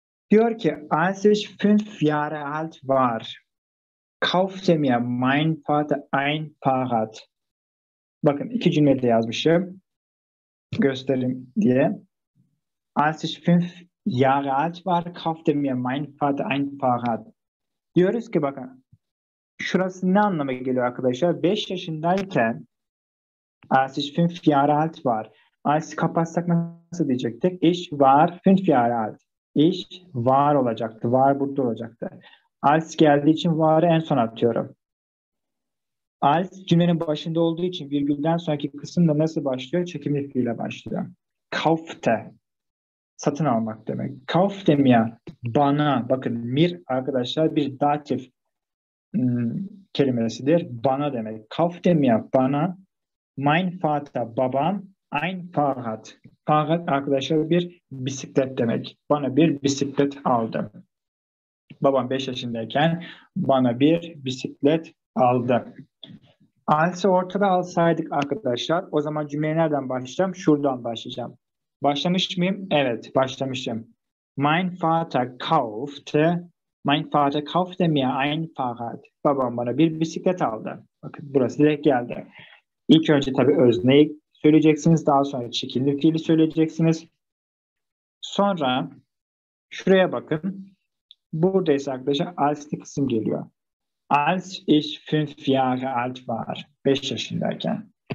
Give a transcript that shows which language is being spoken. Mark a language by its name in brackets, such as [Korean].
[Turkish] Diyor ki [German] als ich 5 Jahre alt war kaufte mir mein Vater ein Fahrrad. [Turkish] Bakın iki cümlede yazmışım. Göstereyim diye. [German] Als ich 5 Jahre alt war, kaufte mir mein Vater ein Fahrrad. [Turkish] Diyoruz ki bakın, şurası ne anlama geliyor arkadaşlar? 5 yaşındayken, [German] als ich 5 Jahre alt war. [Turkish] Als kapatsak nasıl diyecektik? [German] Ich war 5 Jahre alt. [Turkish] Ich war olacaktı, war burada olacaktı. Als geldiği için var'ı en son atıyorum. Als cümlenin başında olduğu için virgülden sonraki kısım da nasıl başlıyor? Çekimli fiille başlıyor. Kaufte. Satın almak demek. Kaufte mir. Bana. Bakın mir arkadaşlar bir datif kelimesidir. Bana demek. Kaufte mir. Bana. [German] Mein Vater. [Turkish] Babam. Ein Fahrrad. Fahrrad arkadaşlar bir bisiklet demek. Bana bir bisiklet aldı. Babam 5 yaşındayken bana bir bisiklet aldı. Als'ı ortada alsaydık arkadaşlar, o zaman cümleye nereden başlayacağım? Şuradan başlayacağım. Başlamış mıyım? Evet, başlamışım. [German] Mein Vater kaufte, mein Vater kaufte mir ein Fahrrad. [Turkish] Babam bana bir bisiklet aldı. Bakın burası direkt geldi. İlk önce tabii özneyi söyleyeceksiniz, daha sonra çekimli fiili söyleyeceksiniz. Sonra şuraya bakın. Buradaysa arkadaşlar als'li kısım geliyor. [German] Als ich 5 Jahre alt war. 5 yaşındayken.